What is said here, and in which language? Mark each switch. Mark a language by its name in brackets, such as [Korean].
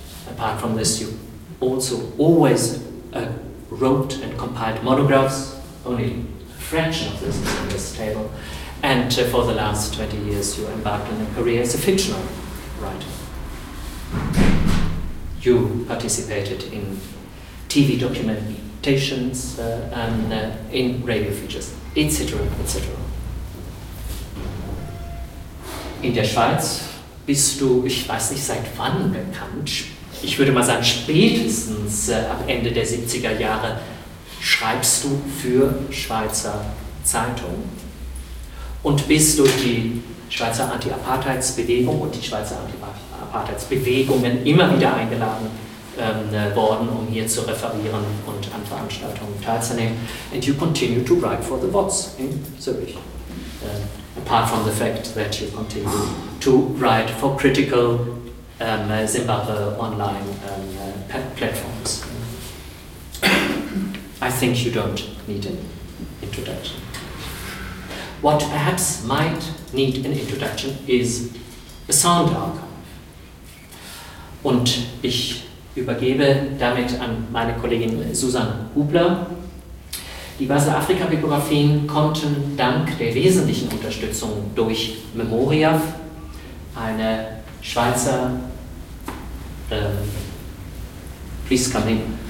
[English] Apart from this, you also always wrote and compiled monographs, only a fraction of this is on this table, and for the last 20 years you embarked on a career as a fictional writer. You participated in TV documentations, in radio features, etc., etc. [German] In der Schweiz bist du, ich weiß nicht seit wann bekannt, ich würde mal sagen, spätestens ab Ende der 70er Jahre schreibst du für Schweizer Zeitungen und bist durch die Schweizer Anti-Apartheids-Bewegung und die Schweizer Anti-Apartheids-Bewegungen immer wieder eingeladen worden, um hier zu referieren und an Veranstaltungen teilzunehmen. [English] And you continue to write for the WOTS in Zürich. Apart from the fact that you continue to write for critical Zimbabwe online platforms. I think you don't need an introduction. What perhaps might need an introduction is a sound archive. [German] Und ich übergebe damit an meine Kollegin Susanne Hubler. Die Basel-Afrika-Biografien konnten dank der wesentlichen Unterstützung durch Memoria, eine Schweizer [English] please come in.